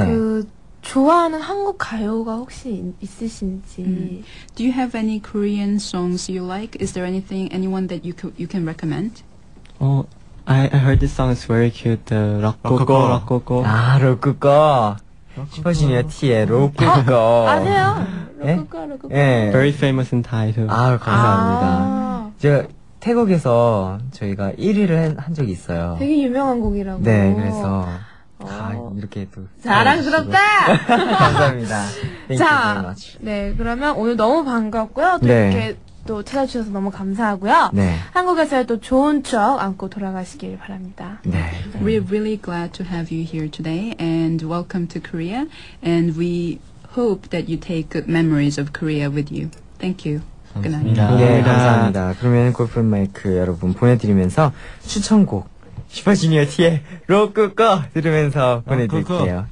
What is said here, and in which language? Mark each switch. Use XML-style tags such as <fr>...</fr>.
<ko>그 좋아하는 한국 가요가 혹시 있으신지.</ko> <en>Do you have any Korean songs you like? Is there anything anyone that you can recommend? I heard this song is very cute. The</en> <ko>락고고 락고고. 아, 락고고. 슈퍼주니어 T의 로쿠꺼. 아세요? 로쿠꺼.</ko> <en>네. Very famous in Thai too.</en> <ko>아 감사합니다. 아~ 제가 태국에서 저희가 1위를 한 적이 있어요. 되게 유명한 곡이라고. 네, 그래서 이렇게 또 자랑스럽다. 감사합니다.</ko> <en>Thank you very much.</en> <ko>네, 그러면 오늘 너무 반갑고요. 또 네. 이렇게 또 찾아주셔서 너무 감사하고요. 네. 한국에서 또 좋은 추억 안고 돌아가시길 바랍니다. 네.</ko> <en>We're really glad to have you here today and welcome to Korea. And we hope that you take good memories of Korea with you. Thank you.</en> <ko>끝납니다. 예, 감사합니다. 그러면 골프 마이크 여러분 보내드리면서 추천곡 슈퍼주니어 T의 로크꺼 들으면서 보내드릴게요.</ko>